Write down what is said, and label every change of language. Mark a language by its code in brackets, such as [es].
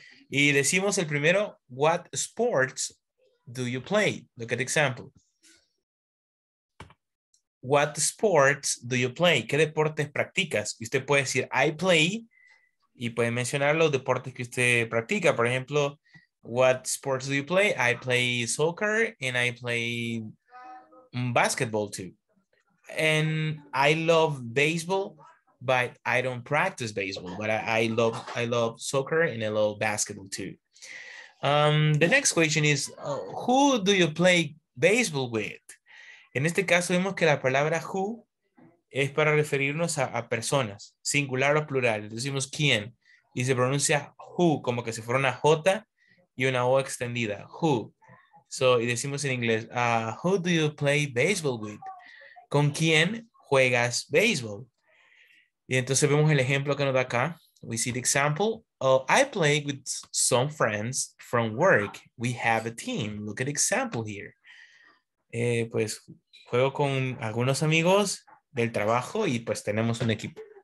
[es] Y decimos el primero, [en] what sports do you play? Look at the example. What sports do you play? [es] ¿Qué deportes practicas? Y usted puede decir, [en] I play, [es] y puede mencionar los deportes que usted practica. Por ejemplo, [en] what sports do you play? I play soccer, and I play basketball too. And I love baseball, but I don't practice baseball. But I love soccer and I love basketball too. The next question is, who do you play baseball with? [es] En este caso vemos que la palabra who es para referirnos a personas, singular o plural. Decimos quién y se pronuncia who, como que si fuera una J y una O extendida, who. [en] So, [es] y decimos en inglés, [en] who do you play baseball with? [es] ¿Con quién juegas baseball? Y entonces vemos el ejemplo que nos da acá. [en] We see the example. Oh, I play with some friends from work. We have a team. Look at the example here. [es] Pues juego con algunos amigos del trabajo y pues tenemos un equipo.